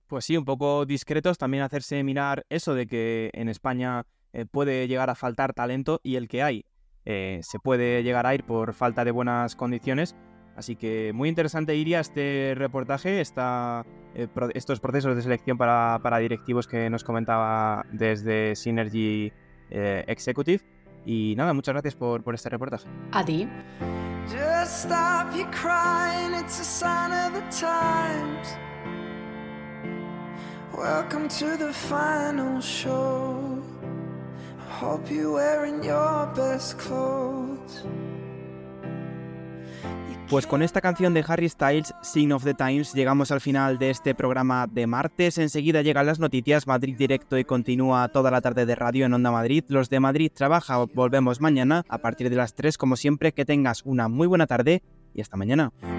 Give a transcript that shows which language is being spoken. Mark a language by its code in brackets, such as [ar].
[es] Pues sí, un poco discretos, también hacerse mirar eso de que en España puede llegar a faltar talento y el que hay se puede llegar a ir por falta de buenas condiciones. Así que muy interesante, Iria, este reportaje, estos procesos de selección para directivos que nos comentaba desde Synergy Executive. Y nada, muchas gracias por este reportaje. A ti. [en] Just stop your crying, it's a sign of the times. Welcome to the final show. I hope you're wearing your best clothes. [es] Pues con esta canción de Harry Styles, Sign of the Times, llegamos al final de este programa de martes. Enseguida llegan las noticias, Madrid Directo, y continúa toda la tarde de radio en Onda Madrid. Los de Madrid Trabaja, volvemos mañana a partir de las 3, como siempre. Que tengas una muy buena tarde y hasta mañana.